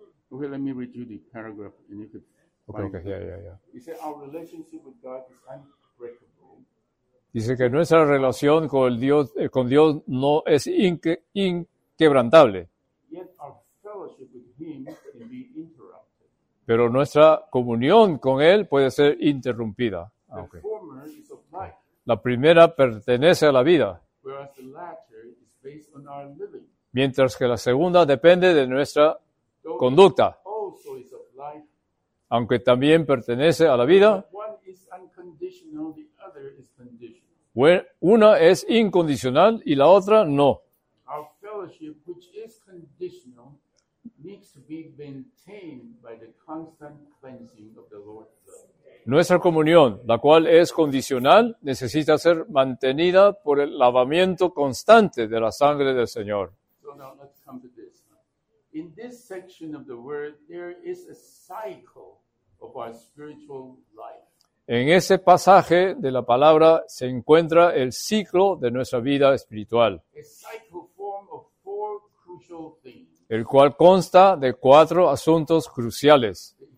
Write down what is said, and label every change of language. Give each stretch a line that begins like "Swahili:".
English: Okay, let me read you the paragraph and you could find it. Yeah. You say our relationship with God is unbreakable.
Spanish: Dice que nuestra relación con Dios no es inquebrantable.
English: Yet our fellowship with him can be interrupted.
Spanish: Pero nuestra comunión con él puede ser interrumpida.
English: The former is of life.
Spanish: La primera pertenece a la vida.
English: Whereas the latter is based on our living.
Spanish: Mientras que la segunda depende de nuestra conducta.
English: Also is of life,
Spanish: aunque también pertenece a la vida.
English: One is unconditional, the other is conditional.
Spanish: Una es incondicional y la otra no.
English: Our fellowship, which is conditional, needs to be maintained by the constant cleansing of the Lord's blood.
Spanish: Nuestra comunión, la cual es condicional, necesita ser mantenida por el lavamiento constante de la sangre del Señor.
English: So now let's come to this. In this section of the word, there is a cycle of our spiritual life.
Spanish: En ese pasaje de la palabra se encuentra el ciclo de nuestra vida espiritual.
English: A cycle form of four crucial things.
Spanish: El cual consta de cuatro asuntos cruciales.